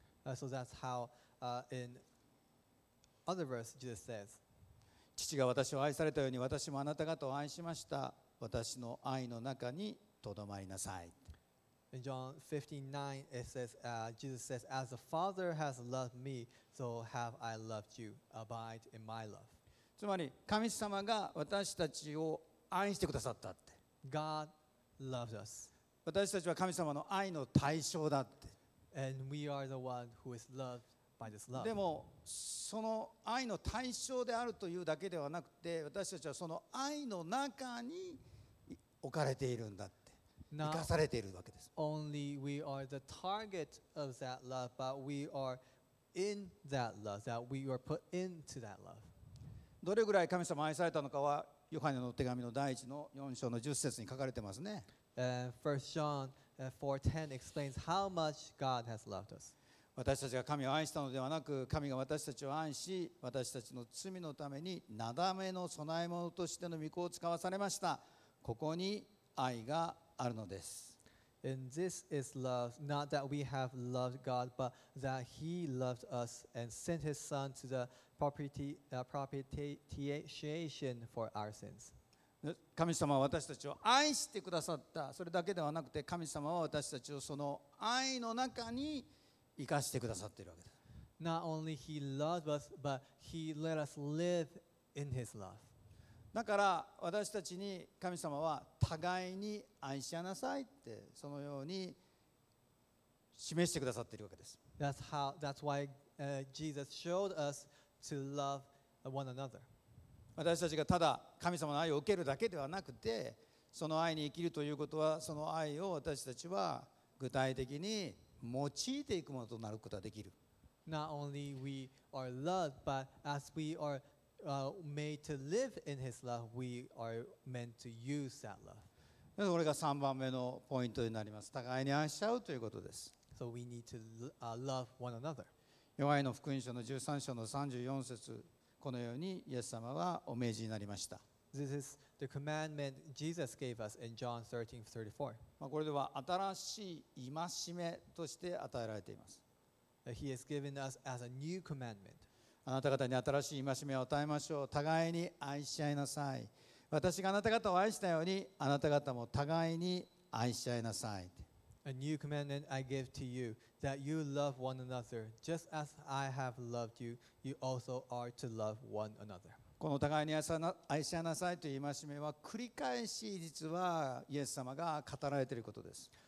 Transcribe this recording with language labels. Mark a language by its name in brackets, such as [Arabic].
[English] So that's how in other verse Jesus says. [Japanese] 父が私を愛されたように私もあなた方を愛しました。私の愛の中にとどまりなさい。 [English] In John 15:9 it says, Jesus says, As the Father has loved me, so have I loved you. Abide in my love. [Japanese] つまり神様が私たちを愛してくださったって。 [English] God loved us. [Japanese] 私たちは神様の愛の対象だって。 [English] And we are the one who is loved. By this love. [Japanese] でもその愛の対象であるというだけではなくて私たちはその愛の中に置かれているんだって生かされているわけです。 [English] Not only we are the target of that love but we are in that love that we are put into that love. [Japanese] どれぐらい神様愛されたのかはヨハネの手紙の第1の4章の10節に書かれてますね。 [English] 1 John 4:10 explains how much God has loved us. [Japanese] 私たちが神を愛したのではなく、神が私たちを愛し、私たちの罪のためになだめの供え物としての御子を使わされました。ここに愛があるのです。 [English] And this is love, not that we have loved God, but that he loved us and sent his son to the propitiation for our sins. [Japanese] 神様は私たちを愛してくださった。それだけではなくて、神様は私たちをその愛の中に生かしてくださっているわけです。 [English] Not only he loved us, but he let us live in his love. [Japanese] だから私たちに神様は互いに愛し合いなさいってそのように示してくださっているわけです。 [English] That's why Jesus showed us to love one another. [Japanese] 私たちがただ神様の愛を受けるだけではなくて、その愛に生きるということは、その愛を私たちは具体的に用いていくものとなることができる。 [English] Not only we are loved, but as we areMade to live in His love, we are meant to use that love. [Japanese] これが3番目のポイントになります。互いに愛し合うということです。 [English] So we need to love one another. [Japanese] ヨハネの福音書の13章の34節、このようにイエス様はお命じになりました。 [English] This is the commandment Jesus gave us in John 13:34. [Japanese] まあこれでは新しい戒めとして与えられています。 [English] He has given us as a new commandment. [Japanese] あなた方に新しい戒めを与えましょう。互いに愛し合いなさい。私があなた方を愛したように、あなた方も互いに愛し合いなさい。 [English] A new commandment I give to you, that you love one another, just as I have loved you, you also are to love one another. [Japanese] この互いに愛し合いなさいという戒めは、繰り返し実はイエス様が語られていることです。